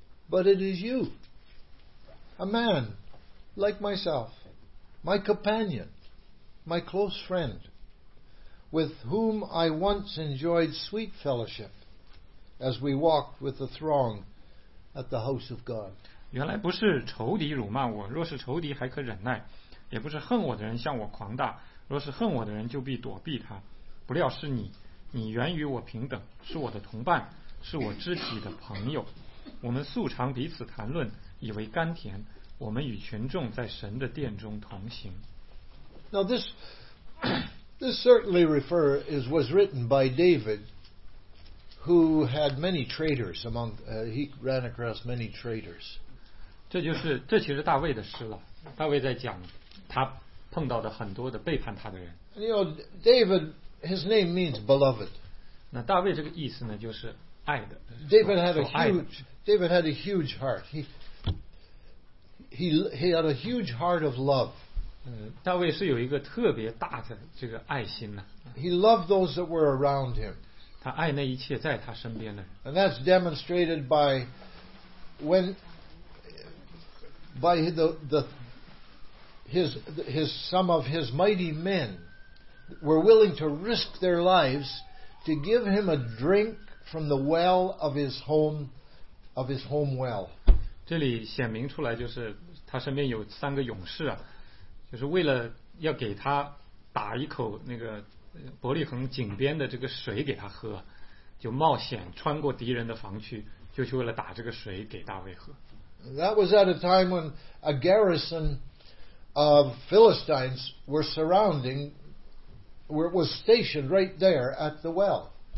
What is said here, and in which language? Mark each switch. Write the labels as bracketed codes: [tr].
[en] But it is you, a man like myself, my companion, my close friend, with whom I once enjoyed sweet fellowship as we walked with the throng at the house of God. [zh] 原来不是仇敌辱骂我，若是仇敌还可忍耐，也不是恨我的人向我狂大，若是恨我的人就必躲避他，不料是你，你原与我平等，是我的同伴，是我知己的朋友，我们素常彼此谈论，以为甘甜，我们与群众在神的殿中同行。 [en] Now This certainly was written by David, who had many traitors among. He ran across many traitors. [zh] 这其实大卫的诗了。大卫在讲他碰到的很多的背叛他的人。 [en] You know, David, his name means beloved. [zh] 那大卫这个意思呢，就是爱的。 [en] David had a huge heart. He had a huge heart of love. [zh] 大卫是有一个特别大的这个爱心呢。 [en] He loved those that were around him. [zh] 他爱那一切在他身边的人。 [en] And that's demonstrated by some of his mighty men were willing to risk their lives to give him a drink from the well of his home well. [zh] 这里显明出来就是他身边有三个勇士啊。就是为了要给他打一口那个伯利恒井边的这个水给他喝，就冒险穿过敌人的防区，就是为了打这个水给大卫喝。 [en] That was at a time when a garrison of Philistines were surrounding, where it was stationed right there at the well.